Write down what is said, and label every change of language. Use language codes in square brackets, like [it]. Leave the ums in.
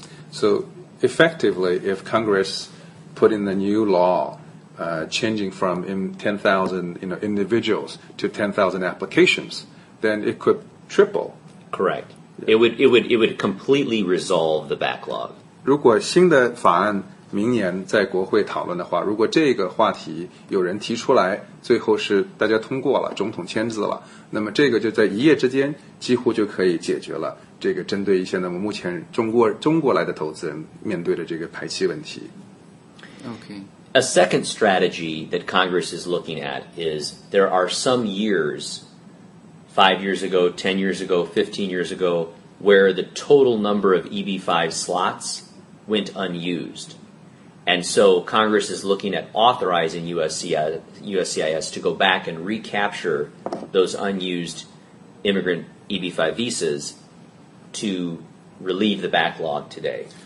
[en] so, effectively, if Congress put in the new law. Uh, changing from 10,000 you know, individuals to 10,000 applications, then it could triple. Correct. Yeah. It, would, it, would, it would completely resolve the backlog. [zh] 如果新的法案明年在国会讨论的话，如果这个话题有人提出来，最后是大家通过了，总统签字了，那么这个就在一夜之间几乎就可以解决了这个针对一些那么目前中国中国来的投资人面对的这个排期问题。 [en] OK。 Okay a second strategy that Congress is looking at is there are some years, five years ago, 10 years ago, 15 years ago, where the total number of EB 5 slots went unused. And so Congress is looking at authorizing USCIS, USCIS to go back and recapture those unused immigrant EB 5 visas to relieve the backlog today.